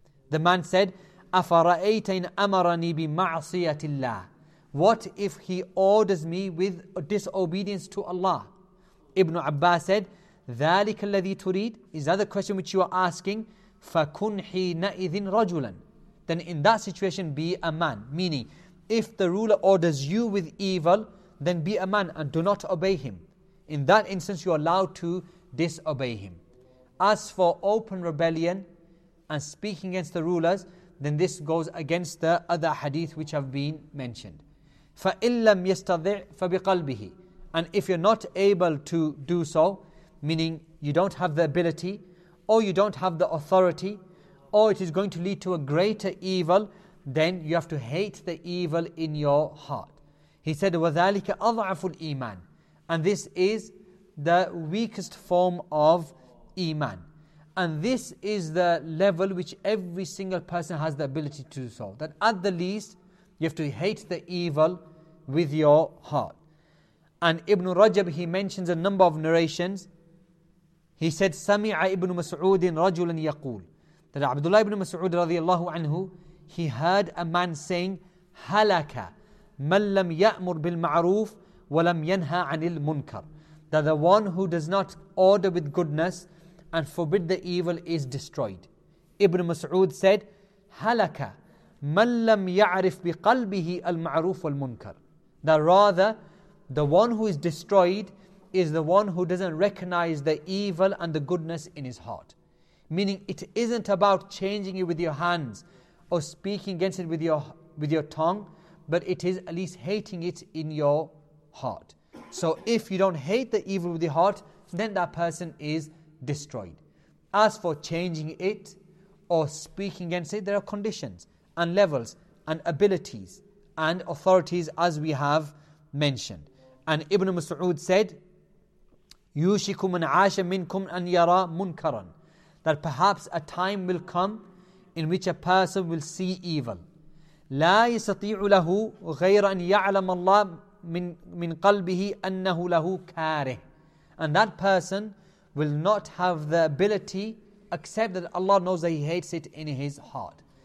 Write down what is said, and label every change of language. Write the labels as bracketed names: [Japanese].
[English] The man said, [Arabic] أَفَرَأَيْتَ إِنْ أَمَرَنِي بِمَعْصِيَةِ اللَّهِ. [English] What if he orders me with disobedience to Allah? Ibn Abbas said, [Arabic] ذَلِكَ الَّذِي تُرِيدُ. [English] Is that the question which you are asking? [Arabic] فَكُنْ حِينَئِذٍ رَجُلًا. [English] Then in that situation be a man. Meaning, if the ruler orders you with evil, then be a man and do not obey him. In that instance, you are allowed to disobey him. As for open rebellion and speaking against the rulers, then this goes against the other hadith which have been mentioned. [Arabic] فَإِنْ لَمْ يَسْتَضِعْ فَبِقَلْبِهِ. [English] And if you're not able to do so, meaning you don't have the ability, or you don't have the authority, or it is going to lead to a greater evil, then you have to hate the evil in your heart. He said, [Arabic] وَذَلِكَ أَضْعَفُ الْإِيمَانِ. [English] And this is the weakest form of iman. And this is the level which every single person has the ability to do so. That at the least, you have to hate the evil with your heart. And Ibn Rajab, he mentions a number of narrations. He said, [Arabic] سَمِعَ إِبْنُ مَسْعُودٍ رَجُلًا يَقُولُ. [English] That Abdullah ibn Mas'ud radiallahu anhu, he heard a man saying, [Arabic] هَلَكَ مَنْ لَمْ يَأْمُرْ بِالْمَعْرُوفِ وَلَمْ يَنْهَى عَنِ الْمُنْكَرِ. [English] That the one who does not order with goodness and forbid the evil is destroyed. Ibn Mas'ud said, [Arabic] هَلَكَ مَنْ لَمْ يَعْرِفْ بِقَلْبِهِ الْمَعْرُوفُ وَالْمُنْكَرِ. [English] That rather, the one who is destroyed is the one who doesn't recognize the evil and the goodness in his heart. Meaning it isn't about changing it with your hands or speaking against it with your tongue, but it is at least hating it in your heart. So if you don't hate the evil with your heart, then that person is destroyed. As for changing it or speaking against it, there are conditions and levels and abilities and authorities as we have mentioned. And Ibn Mas'ud said, [Arabic] يُوشِكُ مَنْ عَاشَ مِنْكُمْ أَنْ يَرَى مُنْكَرًا. [English] That perhaps a time will come in which a person will see evil. [Arabic] لَا يَسَطِيعُ لَهُ غَيْرَ أَنْ يَعْلَمَ اللَّهُ مِنْ قَلْبِهِ أَنَّهُ لَهُ كَارِهُ. [English] And that person will not have the ability except that Allah knows that he hates it in his heart.